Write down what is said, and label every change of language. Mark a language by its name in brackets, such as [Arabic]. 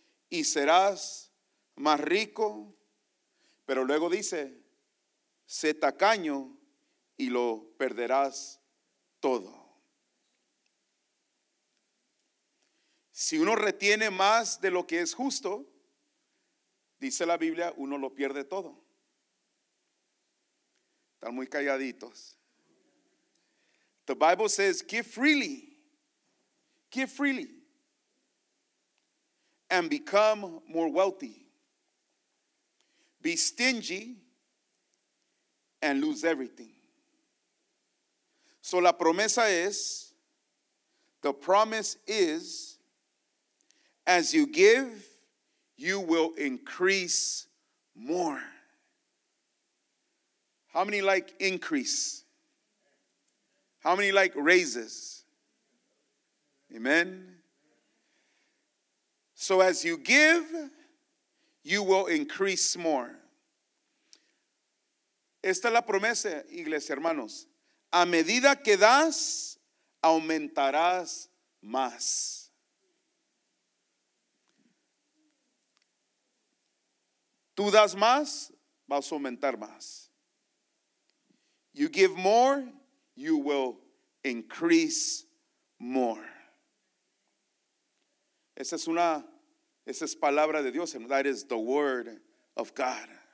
[Spanish] Y serás más rico, pero luego dice, sé tacaño y lo perderás todo. Si uno retiene más de lo que es justo, dice la Biblia, uno lo pierde todo. Están muy calladitos. [English] The Bible says, give freely, and become more wealthy. Be stingy and lose everything. So [Spanish] la promesa es, [English] the promise is, as you give, you will increase more. How many like increase? How many like raises? Amen. So as you give, you will increase more. [Spanish] Esta es la promesa, iglesia, hermanos. A medida que das, aumentarás más. Tú das más, vas a aumentar más. [English] You give more, you will increase more. [Spanish] Esa es una, esa es palabra de Dios. [English] And that is the word of God.